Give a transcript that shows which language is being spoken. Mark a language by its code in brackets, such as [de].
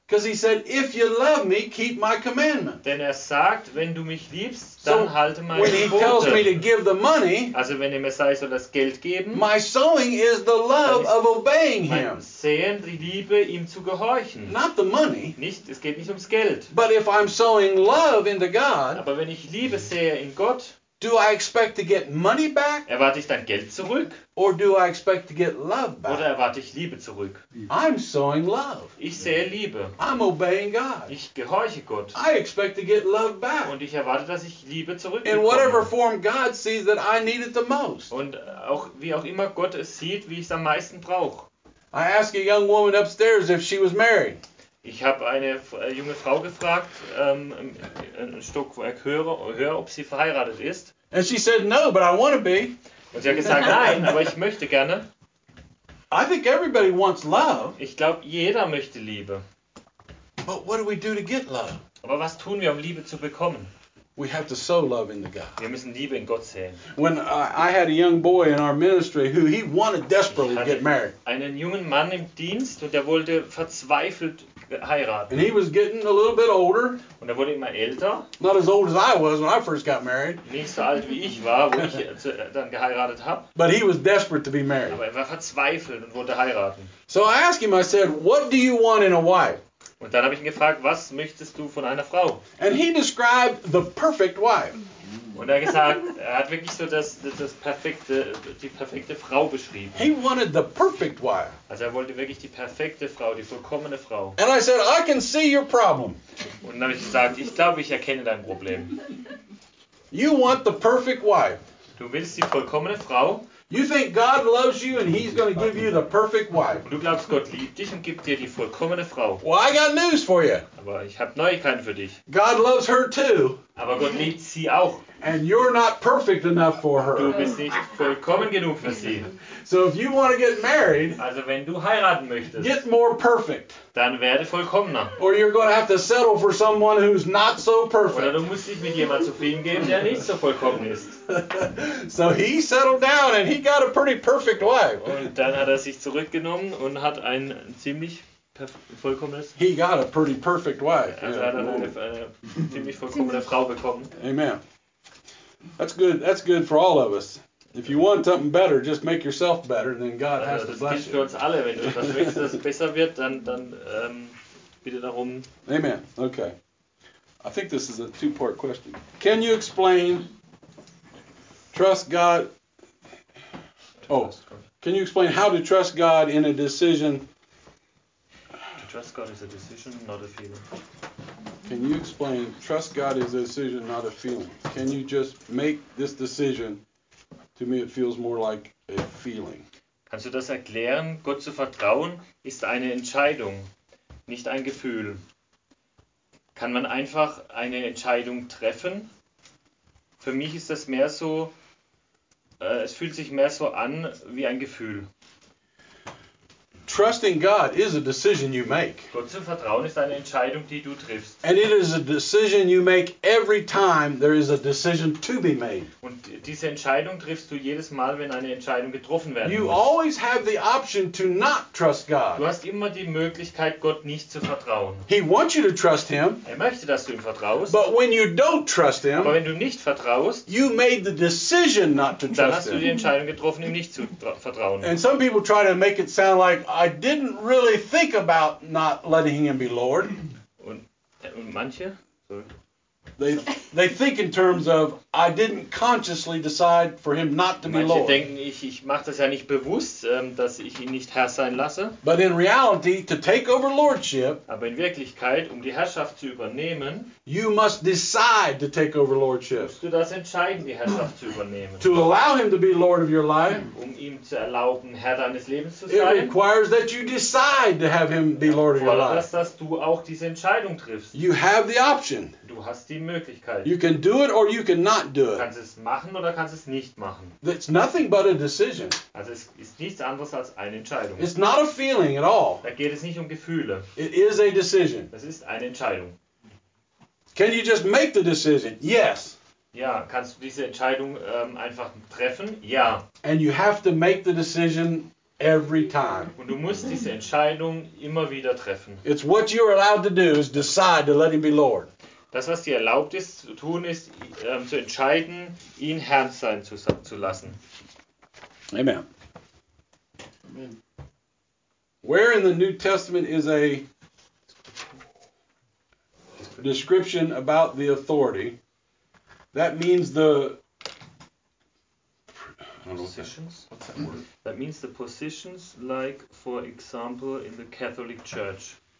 [en] Because he said, if you love me, keep my commandment. [de] Denn er sagt, wenn du mich liebst, dann so, halte meine Gebote. [en] When he tells me to give the money, [de] also wenn er mir sagt, ich soll das Geld geben, [en] my sowing is the love of obeying him. [de] Säen, die Liebe, ihm zu gehorchen. [en] Not the money. [de] Nicht, es geht nicht ums Geld. [en] But if I'm sowing love into God, [de] aber wenn ich Liebe sähe in Gott, [en] do I expect to get money back? [de] Erwarte ich dann Geld zurück? [en] Or do I expect to get love back? [de] Oder erwarte ich Liebe zurück? [en] I'm sowing love. [de] Ich sähe Liebe. [en] I'm obeying God. [de] Ich gehorche Gott. [en] I expect to get love back. [de] Und ich erwarte, dass ich Liebe zurückbekomme. [en] In whatever form God sees that I need it the most. [de] Und auch wie auch immer Gott es sieht, wie ich es am meisten brauche. [en] I asked a young woman upstairs if she was married. [de] Ich habe eine junge Frau gefragt, ein Stück höher, ob sie verheiratet ist. [en] And she said, no, but I want to be. [de] Und sie hat gesagt, nein, aber ich möchte gerne. [en] I think everybody wants love. [de] Ich glaube, jeder möchte Liebe. [en] But what do we do to get love? [de] Aber was tun wir, um Liebe zu bekommen? [en] We have to sow love into God. [de] Wir müssen Liebe in Gott säen. [en] When I had a young boy in our ministry who he wanted desperately to get married. [de] Einen jungen Mann im Dienst und der wollte verzweifelt heiraten. [en] And he was getting a little bit older. [de] Und er wurde immer älter. [en] Not as old as I was when I first got married. [de] Nicht so alt wie ich war, wo ich dann geheiratet habe. [en] But he was desperate to be married. [de] Aber er war verzweifelt und wollte heiraten. [en] So I asked him. I said, "What do you want in a wife?" [de] Und dann habe ich ihn gefragt, was möchtest du von einer Frau? [en] And he described the perfect wife. [de] Und er gesagt, er hat wirklich so das perfekte, die perfekte Frau beschrieben. [en] He wanted the perfect wife. [de] Also er wollte wirklich die perfekte Frau, die vollkommene Frau. [en] And I said, I can see your problem. [de] Und dann habe ich gesagt, ich glaube, ich erkenne dein Problem. [en] You want the perfect wife. [de] Du willst die vollkommene Frau. [en] You think God loves you and he's going to give you the perfect wife. [de] Du glaubst, Gott liebt dich und gibt dir die vollkommene Frau. [en] Well, I got news for you. [de] Aber ich habe Neuigkeiten für dich. [en] God loves her too. [de] Aber Gott liebt sie auch. [en] And you're not perfect enough for her. [de] Du bist nicht vollkommen genug für sie. [en] So if you want to get married, [de] also wenn du heiraten möchtest, [en] get more perfect. [de] Dann werde vollkommener. [en] Or you're going to have to settle for someone who's not so perfect. [de] Oder du musst dich mit jemandem zufrieden geben, der nicht so vollkommen ist. [en] So he settled down and he got a pretty perfect wife. [de] Und dann hat er sich zurückgenommen und hat ein ziemlich vollkommenes. [en] He got a pretty perfect wife. [de] Also hat er eine ziemlich vollkommene Frau bekommen. [en] Amen. That's good. That's good for all of us. If you want something better, just make yourself better, then God [de] also, [en] has to bless you. [de] Das gilt für uns alle. Wenn du das willst, dass es besser wird, dann bitte darum. [en] Amen. Okay. I think this is a two-part question. Can you explain trust God? Can you explain how to trust God in a decision? To trust God is a decision, not a feeling. Can you explain trust God is a decision, not a feeling? Can you just make this decision? To me, it feels more like a feeling. [de] Kannst du das erklären? Gott zu vertrauen ist eine Entscheidung, nicht ein Gefühl. Kann man einfach eine Entscheidung treffen? Für mich ist das mehr so, es fühlt sich mehr so an wie ein Gefühl. [en] Trusting God is a decision you make. [de] Gott zu vertrauen ist eine Entscheidung, die du triffst. [en] And it is a decision you make every time there is a decision to be made. [de] Und diese Entscheidung triffst du jedes Mal, wenn eine Entscheidung getroffen werden [en] you You always have the option to not trust God. [de] Du hast immer die Möglichkeit, Gott nicht zu vertrauen. [en] He wants you to trust him. [de] Er möchte, dass du ihm vertraust. [en] But when you don't trust him, [de] aber wenn du nicht vertraust, [en] you made the decision not to trust him. [de] Dann hast du die Entscheidung getroffen, ihm nicht zu vertrauen. [en] And some people try to make it sound like I didn't really think about not letting him be Lord. [de] Und manche? Sorry. [en] They think in terms of I didn't consciously decide for him not to [de] manche [en] be Lord. [de] Manche denken, ich mache das ja nicht bewusst, dass ich ihn nicht Herr sein lasse. [en] But in reality, to take over lordship. [de] Aber in Wirklichkeit, um die Herrschaft zu übernehmen. [en] You must decide to take over lordship. [de] Musst du das entscheiden, die Herrschaft zu übernehmen. [en] To allow him to be Lord of your life. [de] Um ihm zu erlauben, Herr deines Lebens zu sein. [en] It requires that you decide to have him be Lord of your life. [de] Erfordert, dass du auch diese Entscheidung triffst. [en] You have the option. [de] Du hast die Möglichkeit. [en] You can do it or you cannot do it. [de] Kannst es machen oder kannst es nicht machen. [en] It's nothing but a decision. [de] Also es ist nichts anderes als eine Entscheidung. [en] It's not a feeling at all. [de] Da geht es nicht um Gefühle. [en] It is a decision. [de] Es ist eine Entscheidung. [en] Can you just make the decision? Yes. [de] Ja, kannst du diese Entscheidung einfach treffen? Ja. [en] And you have to make the decision every time. [de] Und du musst diese Entscheidung immer wieder treffen. [en] It's what you're allowed to do is decide to let him be Lord. [de] Das, was dir erlaubt ist zu tun, ist zu entscheiden, ihn Herr sein zu lassen. [en] Amen. Amen. Where in the New Testament is a description about the authority? That means the positions. What's that word? That means the positions, like for example, in the Catholic Church.